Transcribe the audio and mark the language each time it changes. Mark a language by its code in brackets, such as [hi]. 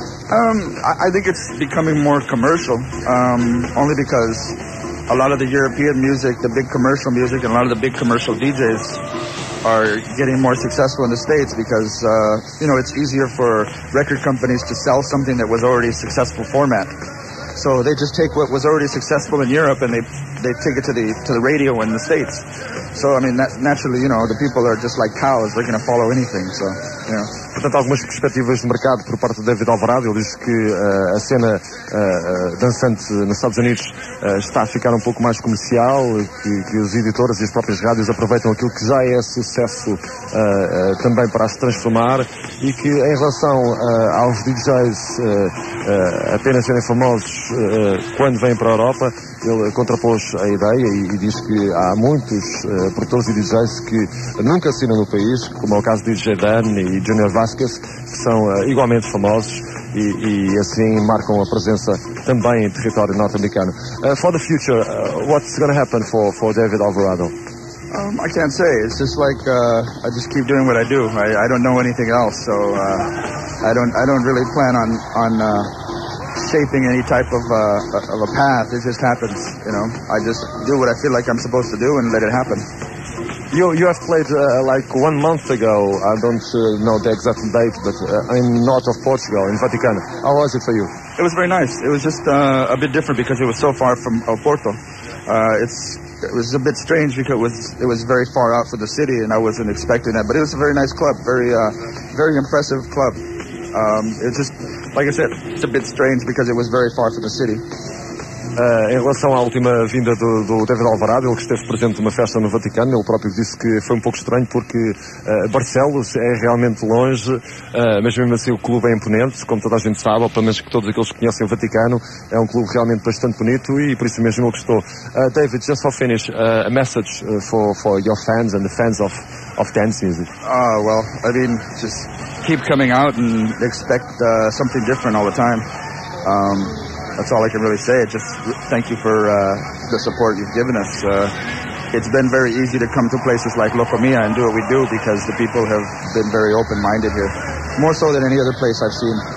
[en] I think it's becoming more commercial, only because a lot of the European music, the big commercial music, and a lot of the big commercial DJs are getting more successful in the States because, you know, it's easier for record companies to sell something that was already a successful format. So they just take what was already successful in Europe and they take it to the radio in the States. So, I mean, naturally, you know, the people are just like cows. They're going to follow anything, so, you know. [pt] Portanto, algumas perspectivas de mercado por parte de David Alvarado. Ele diz que a cena dançante nos Estados Unidos está a ficar um pouco mais comercial, que os editores e as próprias rádios aproveitam aquilo que já é sucesso também para se transformar, e que em relação aos DJs apenas serem famosos quando vêm para a Europa, ele contrapôs a ideia e diz que há muitos produtores e DJs que nunca assinam no país, como é o caso de DJ Dan e Junior Vasquez, que são igualmente famosos e assim marcam a presença também em território norte-americano. [en] For the future, what's going to happen for David Alvarado? I can't say. It's just like I just keep doing what I do. I don't know anything else, so I don't really plan on shaping any type of a path. It just happens, you know. I just do what I feel like I'm supposed to do and let it happen. You have played like 1 month ago, I don't know the exact date, but in north of Portugal, in Vatican. How was it for you? It was very nice. It was just a bit different because it was so far from El Porto. It was a bit strange because it was very far out for the city and I wasn't expecting that, but it was a very nice club, very very impressive club. It's just, like I said, it's a bit strange because it was very far from the city. [pt] Em relação à última vinda do David Alvarado, ele que esteve presente numa festa no Vaticano, ele próprio disse que foi um pouco estranho porque Barcelos é realmente longe, mas mesmo assim o clube é imponente, como toda a gente sabe, ou pelo menos que todos aqueles que conhecem o Vaticano, é um clube realmente bastante bonito e por isso mesmo ele gostou. [en] David, just for finish, a message for your fans and the fans of dance music. Well, I mean, just keep coming out and expect something different all the time. That's all I can really say. Just thank you for the support you've given us. It's been very easy to come to places like Locomia and do what we do because the people have been very open-minded here, more so than any other place I've seen.